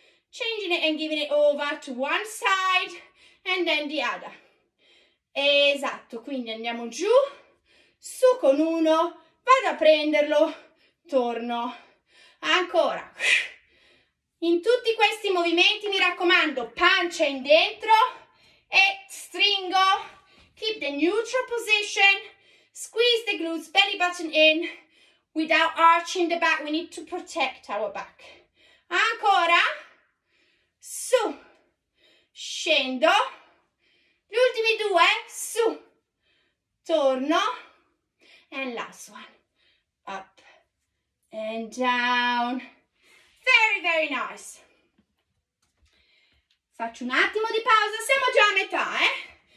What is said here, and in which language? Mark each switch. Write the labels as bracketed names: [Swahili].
[English] Changing it and giving it over to one side. And then the other. [Italian] Esatto, quindi andiamo giù, su con uno, vado a prenderlo, torno, ancora. In tutti questi movimenti mi raccomando, pancia in dentro e stringo, [English] keep the neutral position, squeeze the glutes, belly button in, without arching the back, we need to protect our back. [Italian] Ancora, su, scendo. Gli ultimi due, su, torno, [English] and last one, up, and down, very, very nice. [Italian] Faccio un attimo di pausa, siamo già a metà, eh?